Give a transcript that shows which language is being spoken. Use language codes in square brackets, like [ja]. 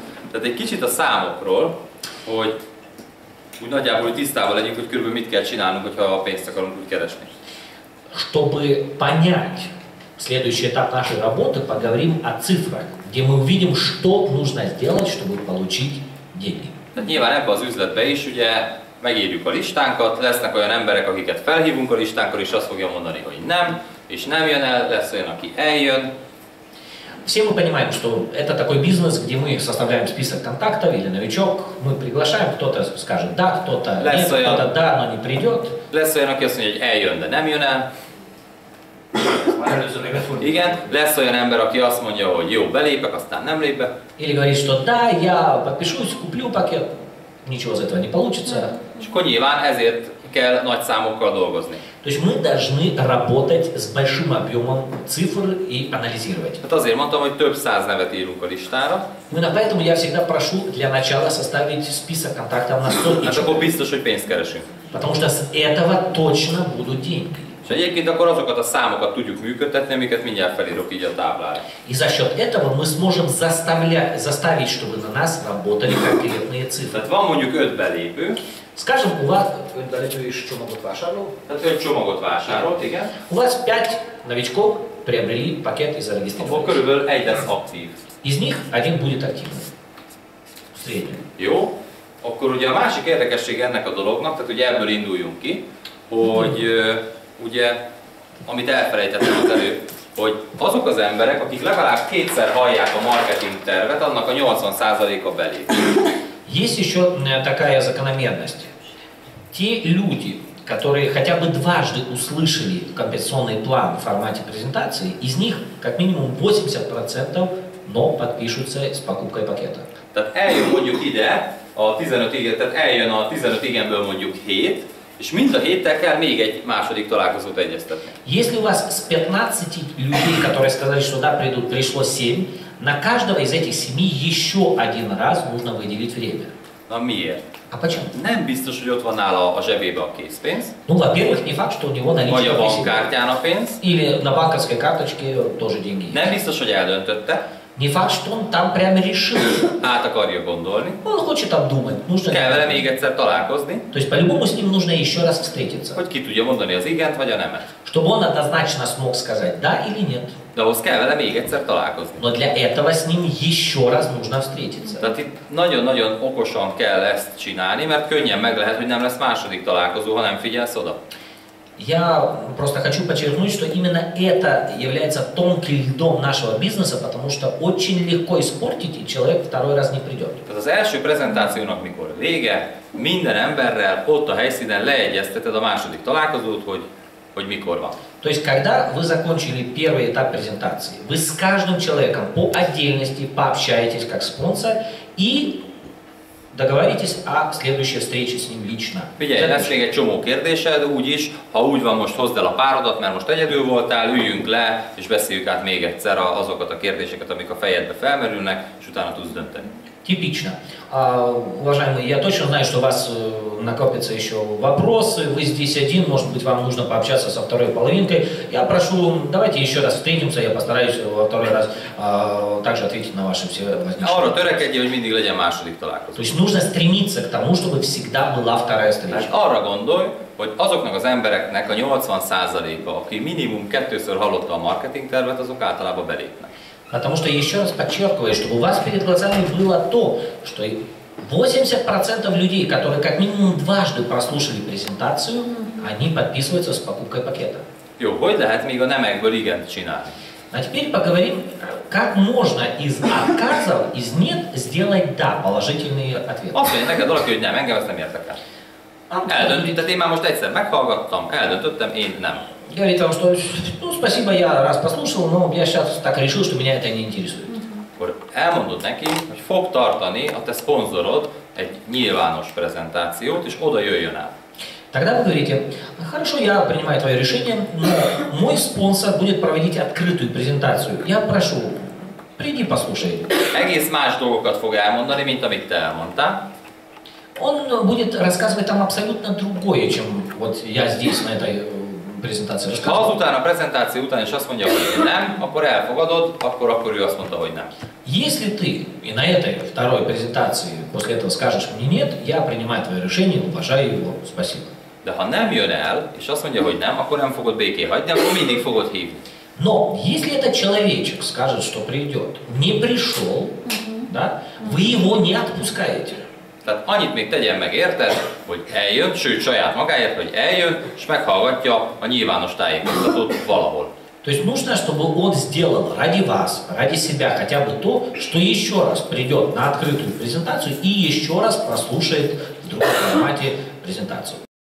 [hu] Tehát egy kicsit a számokról, hogy úgy nagyjából tisztában legyünk, hogy körülbelül mit kell csinálnunk, hogyha a pénzt akarunk úgy keresni. [ru] Чтобы понять следующий этап нашей работы, поговорим о цифрах, где мы увидим, что нужно сделать, чтобы получить деньги. [hu] Nyilván ebbe az üzletbe is ugye megírjuk a listánkat, lesznek olyan emberek, akiket felhívunk a listánkra, és azt fogja mondani, hogy nem, és nem jön el, lesz olyan, aki eljön. [ru] Все мы понимаем, что это такой бизнес, где мы составляем список контактов или новичок, мы приглашаем, кто-то скажет да, кто-то нет, кто-то да, но не придет. [hu] Lesz olyan, aki azt mondja, hogy eljön, de nem jön el. Igen, lesz olyan ember, aki azt mondja, hogy jó, belépek, aztán nem lép be. Igen, és tudod, [ru] de já, papisulsz, kupljú paket, [hu] nincs jó az ötve, nincs palucsica. És akkor nyilván ezért kell nagy számokkal dolgozni. Tehát mi [ru] должны работать с большим объемом цифр и анализировать. [hu] Hát azért mondtam, hogy több száz nevet írunk a listára. [ru] Ну, на поэтому я всегда прошу для начала составить список контактов на 100 человек. [hu] Hát akkor biztos, hogy pénzt keresünk. [ru] Потому что с этого точно будут деньги. [hu] És egyébként akkor azokat a számokat tudjuk működtetni, amiket mindjárt felírok így a táblára. [ru] И за счет этого мы сможем заставить, чтобы на нас работали конкретные цифры. [hu] Tehát van mondjuk 5 belépő. [ru] Скажем, у вас 5 [hu] belépő is csomagot vásárolt. Tehát 5 csomagot vásárolt, igen. [ru] У вас 5 новичков приобрели пакет и зарегистрировали. [hu] Abból körülbelül egy lesz aktív. [ru] Из них один будет активный. В среднем. [hu] Jó. Akkor ugye a másik érdekesség ennek a dolognak, tehát ugye ebből induljunk ki, hogy ugye, amit elfelejtettem az előbb, hogy azok az emberek, akik legalább kétszer hallják a marketing tervet, annak a 80%-a belép. [ru] Есть еще такая закономерность. Те люди, которые хотя бы дважды услышали компенсационный план в формате презентации, из них как минимум 80% но подпишутся с покупкой пакета. [hu] Tehát eljön mondjuk ide a 15 igen, tehát eljön a 15 igenből mondjuk 7, és mind a 7-tel kell még egy második találkozót egyeztetni. [ru] Если у вас с 15 людей, которые сказали, что да, придут, пришло 7, на каждого из этих 7 еще один раз нужно выделить время. [hu] Na miért? [ru] А почему? [hu] Nem biztos, hogy ott van nála a zsebébe a készpénz. [ru] Ну, во-первых, не факт, что у него наличие. [hu] Vagy a bankkártyán a pénz. [ru] Или на банковской карточке тоже деньги. [hu] Nem biztos, hogy eldöntötte. [ru] Не факт, что он там прямо решил. [hu] Hát akarja gondolni. [ru] Он хочет обдумать. Нужно [hu] kell vele még egyszer találkozni. [ru] То есть по-любому с ним нужно еще раз встретиться. [hu] Hogy ki tudja mondani az igent vagy a nemet. [ru] Чтобы он однозначно смог сказать да или нет. [hu] De ahhoz kell vele még egyszer találkozni. [ru] Но для этого с ним еще раз нужно встретиться. [hu] Tehát itt nagyon-nagyon okosan kell ezt csinálni, mert könnyen meg lehet, hogy nem lesz második találkozó, ha nem figyelsz oda. [ru] Я просто хочу подчеркнуть, что именно это является тонким льдом нашего бизнеса, потому что очень легко испортить, и человек второй раз не придет. [hu] Tehát az első prezentációnak, mikor vége, minden emberrel ott a helyszínen leegyezteted a második találkozót, hogy mikor van. [ru] То есть, когда вы закончили первый этап презентации, вы с каждым человеком по отдельности пообщаетесь как спонсор и договоритесь о следующей встрече с ним лично. [hu] Figyelj, lesz még egy csomó kérdésed, úgyis, ha úgy van, most hozd el a párodat, mert most egyedül voltál, üljünk le, és beszéljük át még egyszer azokat a kérdéseket, amik a fejedbe felmerülnek, és utána tudsz dönteni. [ru] Типично. Уважаемый, я точно знаю, что у вас накопятся еще вопросы. Вы здесь один, может быть, вам нужно пообщаться со второй половинкой. Я прошу, давайте еще раз встретимся, я постараюсь во второй раз также ответить на ваши все возникшие вопросы. То есть нужно стремиться к тому, чтобы всегда была вторая встреча. [hu] Arra gondolj, hogy azoknak az embereknek a 80%-a, aki minimum kettőször hallotta a marketing tervet, azok általában belépnek. [ru] Потому что еще раз подчеркиваю, что у вас перед глазами было то, что 80% людей, которые как минимум дважды прослушали презентацию, они подписываются с покупкой пакета. [hu] Jó, hogy lehet még a nemekből igent csinálni? [ru] А теперь поговорим, как можно из отказов, из нет сделать да, положительный ответ. [hu] Oké, neked valaki, hogy nem, engem ezt nem érdekel. Eldöntött, én már most egyszer meghallgattam, eldöntöttem, én nem. [ru] Говорит вам, что ну, спасибо, я раз послушал, но я сейчас так решил, что меня это не интересует. [hu] Elmondod neki, hogy fog tartani a te szponzorod egy nyilvános prezentációt, és oda jöjjön el. [ru] Тогда вы говорите, хорошо, я принимаю твое решение, но мой спонсор будет проводить открытую презентацию. Я прошу, приди послушай. [hu] Egész más dolgokat fog elmondani, mint amit te elmondtál. [ru] Он будет рассказывать там абсолютно другое, чем вот я здесь на этой презентации. [hu] Ha azután a prezentáció után is azt mondja, hogy nem, akkor elfogadod, akkor ő azt mondta, hogy nem. [ru] Если ты и на этой второй презентации после этого скажешь мне нет, я принимаю твое решение, уважаю его, спасибо. [hu] De ha nem jön el, és azt mondja, hogy nem, akkor nem fogod békén hagyni, akkor mindig fogod hívni. [ru] Но если этот человечек скажет, что придет, не пришел, да, вы его не отпускаете. [hu] Tehát annyit még tegyen meg érted, hogy eljön, sőt saját magáért, hogy eljön, és meghallgatja a nyilvános tájékoztatót valahol. [ru] То есть нужно, чтобы он сделал ради вас, ради себя хотя бы то, что еще раз придет на открытую презентацию и еще раз прослушает в другом формате презентацию.